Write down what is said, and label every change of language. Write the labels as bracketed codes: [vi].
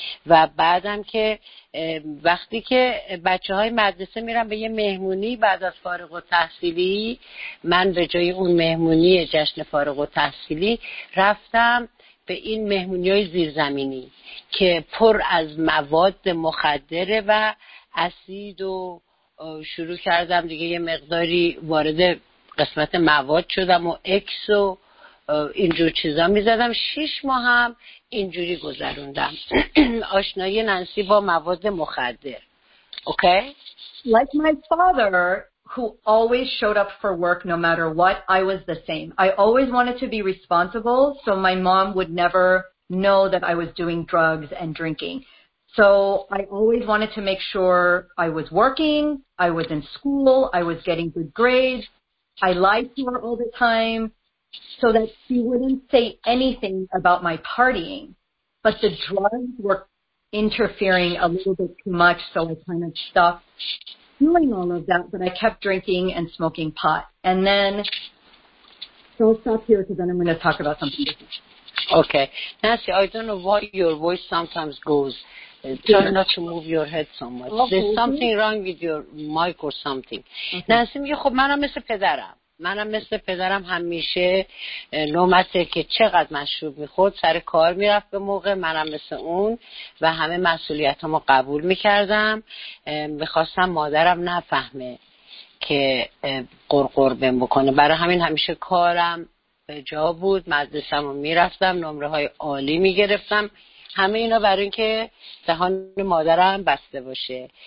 [fa] و بعدم که وقتی که بچه های مدرسه میرن به یه مهمونی بعد از فارغ التحصیلی، من به جای اون مهمونی جشن فارغ التحصیلی رفتم به این مهمونی های زیرزمینی که پر از مواد مخدره و اسید، و شروع کردم دیگه یه مقداری وارد قسمت مواد شدم و اکس و اینجور چیزا میزدم. 6 ماه هم اینجوری گذروندم. آشنایی نانسی با مواد مخدر. [en] Okay? Like my father who always showed up for work no matter what, I was the same. I always wanted to be responsible, so my mom would never know that I was doing drugs and drinking. So I always wanted to make sure I was working, I was in school, I was getting good grades. I lied to her all the time so that she wouldn't say anything about my partying. But the drugs were interfering a little bit too much, so I kind of stopped doing all of that, but I kept drinking and smoking pot. And then, so I'll stop here because then I'm going to talk about something different. Okay. Nancy, I don't know why your voice sometimes goes. Try not to move your head so much. Okay. There's something wrong with your mic or something. Okay. [fa] Nancy, میگه خب منم مثل پدرم. منم مثل پدرم همیشه نومته که چقدر مشروب میخورد سر کار میرفت به موقع، منم مثل اون و همه مسئولیتامو قبول میکردم. میخواستم مادرم نفهمه که قرقر بهم بکنه، برای همین همیشه کارم به جا بود، مدرسه‌مو میرفتم، نمره های عالی میگرفتم، همه اینا برای اینکه دهان مادرم بسته باشه.